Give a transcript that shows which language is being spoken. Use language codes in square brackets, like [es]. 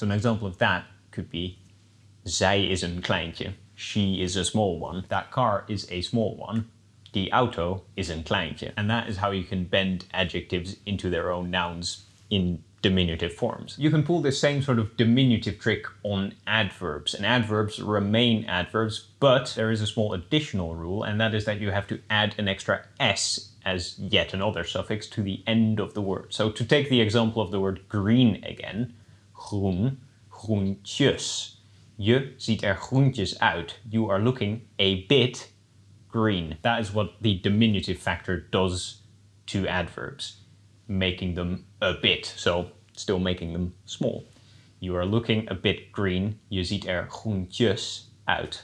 [en] So an example of that could be [nl] zij is een kleintje. [en] She is a small one. That car is a small one. [nl] Die auto is een kleintje. [en] And that is how you can bend adjectives into their own nouns in diminutive forms. You can pull this same sort of diminutive trick on adverbs. And adverbs remain adverbs, but there is a small additional rule, and that is that you have to add an extra S as yet another suffix to the end of the word. So to take the example of the word green again, groen, groentjes. [nl] Je ziet er groentjes uit. [en] You are looking a bit green. That is what the diminutive factor does to adverbs, making them a bit, so still making them small. You are looking a bit green. [nl] Je ziet er groentjes uit.